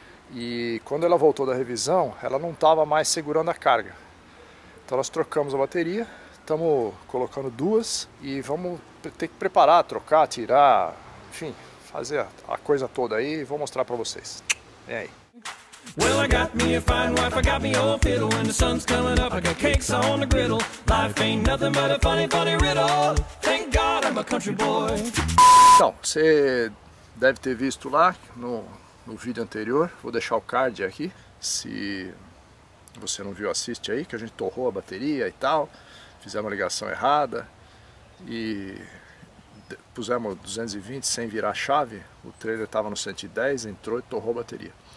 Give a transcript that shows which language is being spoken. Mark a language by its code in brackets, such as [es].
[pt] E quando ela voltou da revisão, ela não estava mais segurando a carga. Então nós trocamos a bateria, estamos colocando duas e vamos ter que preparar, trocar, tirar, enfim, fazer a coisa toda aí e vou mostrar para vocês. Vem aí. [en] Well, I got me a fine wife, I got me old fiddle. When the sun's coming up, I got cakes on the griddle. Life ain't nothing but a funny, funny riddle. Thank God I'm a country boy. [pt] Então, você deve ter visto lá no vídeo anterior, vou deixar o card aqui, se você não viu, assiste aí, que a gente torrou a bateria e tal, fizemos a ligação errada e pusemos 220 sem virar a chave, o trailer estava no 110, entrou e torrou a bateria.